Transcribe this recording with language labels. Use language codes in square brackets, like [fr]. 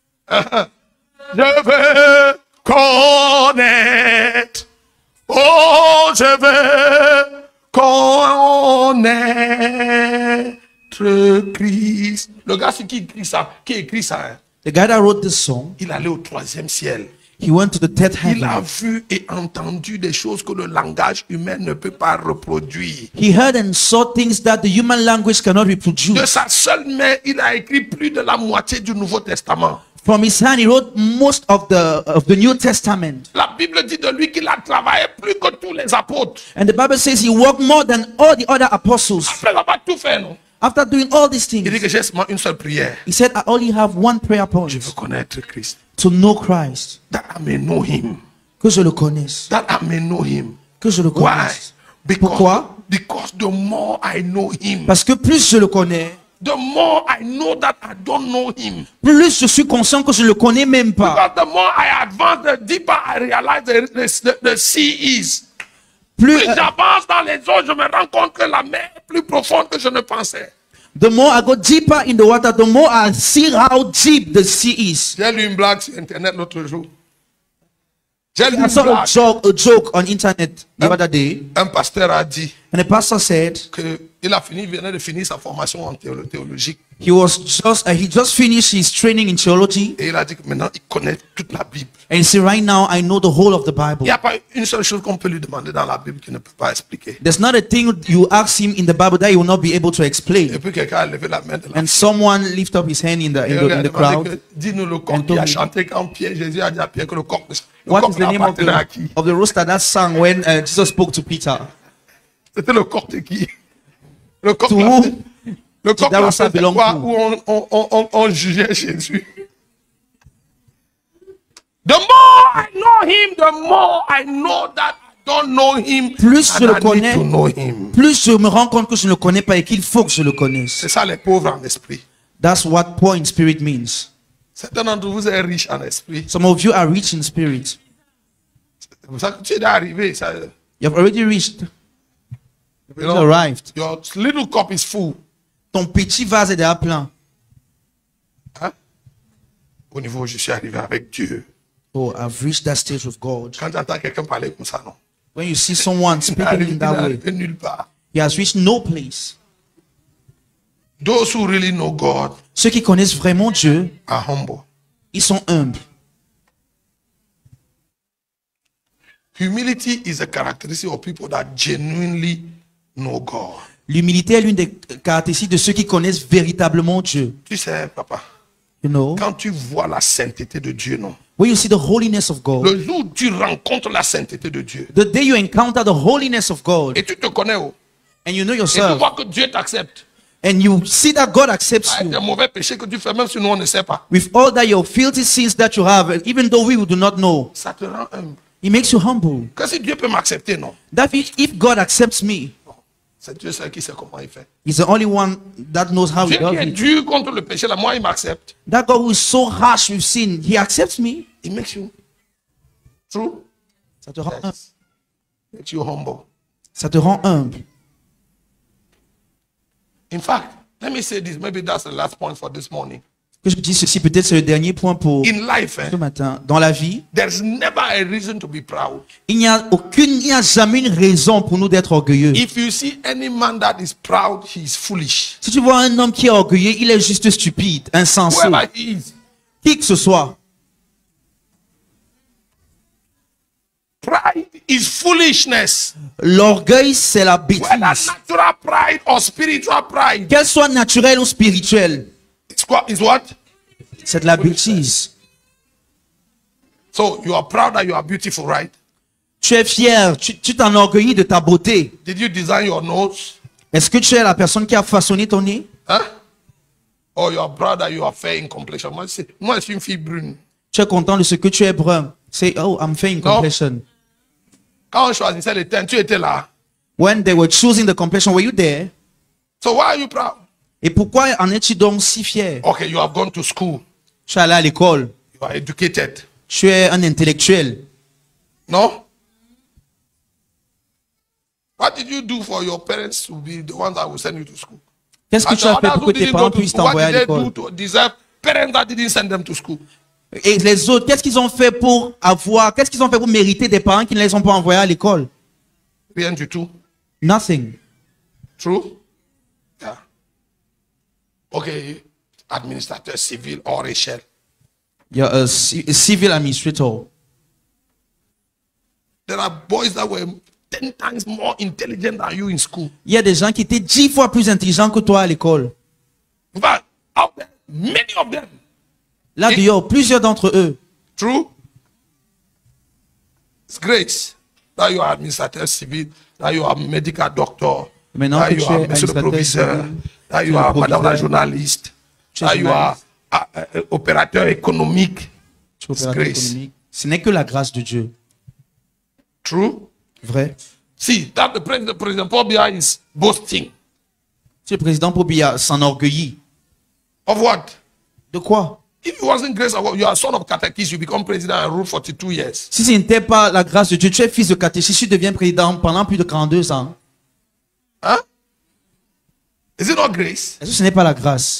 [fr] Je veux connaître, oh, je veux connaître Christ. Le gars, c'est qui écrit ça? [en] The guy that wrote this song, [fr] il allait au troisième ciel. [en] He went to the third heaven. [fr] Il a vu et entendu des choses que le langage humain ne peut pas reproduire. [en] He heard and saw things that the human language cannot reproduce. [fr] De sa seule main, il a écrit plus de la moitié du Nouveau Testament. [en] From his hand, he wrote most of the New Testament. [fr] La Bible dit de lui qu'il a travaillé plus que tous les apôtres. [en] And the Bible says he worked more than all the other apostles. [fr] Après avoir tout fait, non? [en] After doing all these things, [fr] il dit que j'ai seulement une seule prière. [en] He said, I only have one prayer point. [fr] Je veux connaître Christ. [en] To know Christ. That I may know him. [fr] Que je le connaisse. [en] That I may know him. [fr] Que je le connaisse. [en] Why? Because, [fr] pourquoi? [en] Because the more I know him. [fr] Parce que plus je le connais. [en] The more I know that I don't know him. [fr] Plus je suis conscient que je le connais même pas. [en] Because the more I advance, the deeper I realize the sea is. [fr] Plus j'avance dans les eaux, je me rends compte que la mer est plus profonde que je ne pensais. [en] The more I go deeper in the water, the more I see how deep the sea is. [fr] J'ai lu une blague sur internet l'autre jour. [en] I saw a joke on internet the other day. [fr] Un pasteur a dit. [en] And a pastor said. [fr] Que il a fini, venait de finir sa formation en théologie. [en] He was just he just finished his training in theology. [fr] Et il a dit que maintenant il connaît toute la Bible. [en] And see, right now I know the whole of the Bible. [fr] Il n'y a pas une seule chose qu'on peut lui demander dans la Bible qu'il ne peut pas expliquer. [en] There's not a thing you ask him in the Bible that he will not be able to explain. [fr] Et puis quelqu'un a levé la main. [en] And someone lift up his hand in the crowd. [fr] Dis-nous le coq qui a chanté quand Pierre Jésus a dit à Pierre que le coq. [en] What is the name of the rooster that sang when Jesus spoke to Peter? [fr] C'était le coq de qui? Le coq [en] to whom? [fr] Le coq de la [en] belong to? [fr] Où on jugeait Jésus. [en] The more I know him, the more I know that I don't know him. [fr] Plus je le connais, [en] to know him. [fr] Plus je me rends compte que je ne le connais pas et qu'il faut que je le connaisse. C'est ça les pauvres en esprit. [en] That's what poor in spirit means. [fr] Certains d'entre vous êtes riches en esprit. [en] Some of you are rich in spirit. [fr] Tu es arrivé. [en] You have already reached. You've already arrived. Your little cup is full. [fr] Ton petit vase est déjà plein. Hein? Au niveau où je suis arrivé avec Dieu. [en] Oh, I've reached that stage with God. [fr] Quand j'entends quelqu'un parler comme ça, non. [en] When you see someone speaking in that way. [fr] Nulle part. [en] He has reached no place. Those who really know God, [fr] ceux qui connaissent vraiment Dieu, [en] are humble. [fr] Ils sont humbles. [en] Humility is a characteristic of people that genuinely know God. [fr] L'humilité est l'une des caractéristiques de ceux qui connaissent véritablement Dieu. Tu sais, papa, [en] you know, [fr] quand tu vois la sainteté de Dieu, non? [en] When you see the holiness of God, [fr] le jour où tu rencontres la sainteté de Dieu, [en] the day you encounter the holiness of God, [fr] et tu te connais, oh, [en] and you know yourself, [fr] et tu vois que Dieu t'accepte. [en] And you see that God accepts you. [fr] Des mauvais péchés que tu fais, même si nous on ne sait pas. [en] With all that your filthy sins that you have, even though we do not know, [fr] ça te rend humble. [en] It makes you humble. [fr] Que si Dieu peut m'accepter, non? [en] That if God accepts me, [fr] c'est Dieu seul qui sait comment il fait. [en] He's the only one that knows how [fr] Dieu [en] he does [fr] qui est [en] it. [fr] Dieu est dur contre le péché, là, moi il m'accepte. [en] That God who is so harsh with sin, he accepts me. It makes you true. [fr] Ça te rend humble. [en] Makes you humble. [fr] Ça te rend humble. [en] In fact, let me say this. Maybe that's the last point for this morning. [fr] Que je dise ceci, peut-être c'est le dernier point pour [en] in life, [fr] ce matin. Dans la vie, [en] there's never a reason to be proud. [fr] Il n'y a jamais une raison pour nous d'être orgueilleux. [en] If you see any man that is proud, he is foolish. [fr] Si tu vois un homme qui est orgueilleux, il est juste stupide, insensé. [en] Whoever he is, [fr] qui que ce soit, [en] pride is foolishness. [fr] L'orgueil, c'est la bêtise. [en] Whether natural pride or spiritual pride. [fr] Qu'elle soit naturelle ou spirituelle. [en] It's what? It's what? [fr] C'est de la bêtise. [en] So you are proud that you are beautiful, right? [fr] Tu es fier. Tu t'enorgueillis de ta beauté. [en] Did you design your nose? [fr] Est-ce que tu es la personne qui a façonné ton nez? Hein? [en] Or you are proud that you are fair in complexion. [fr] Moi, je suis une fille brune. Tu es content de ce que tu es brun. [en] Say, oh, I'm fair in complexion. [fr] Quand on choisissait les teintes, tu étais là. [en] When they were choosing the complexion, were you there? So why are you proud? [fr] Et pourquoi en es-tu donc si fier? [en] Okay, you have gone to school. [fr] Tu es allé à l'école. [en] You are educated. [fr] Tu es un intellectuel. [en] No? What did you do for your parents to be the ones that will send you to school? [fr] Qu'est-ce que tu as fait pour que tes parents puissent t'envoyer à l'école? [en] What did they do to deserve parents that didn't send them to school? [fr] Et les autres, qu'est-ce qu'ils ont fait pour mériter des parents qui ne les ont pas envoyés à l'école? Rien du tout. [en] Nothing. True? Yeah. Ok, administrateur civil hors échelle. You're a civil administrator. There are boys that were 10 times more intelligent than you in school. [fr] Il y a des gens qui étaient 10 fois plus intelligents que toi à l'école. [en] But out there, many of them. [fr] Là dehors, plusieurs d'entre eux. [en] True. It's grace that you are administrateur civil, that you are medical doctor, [fr] maintenant [en] that you are [fr] monsieur le proviseur, [en] that you are madame la journaliste, that you are opérateur économique. It's grace. [fr] Ce n'est que la grâce de Dieu. [en] True. [fr] Vrai. [en] See that the president Paul Biya is boasting. [fr] Ce président Paul Biya s'enorgueillit. [en] Of what? [fr] De quoi? [en] If it wasn't grace, you are son of catechist, you become president and rule 42 years. [fr] Si ce n'était pas la grâce de Dieu, tu es fils de catéchiste, tu deviens président pendant plus de 42 ans. [en] Hein? Is it not grace? [fr] Est-ce que ce n'est pas la grâce?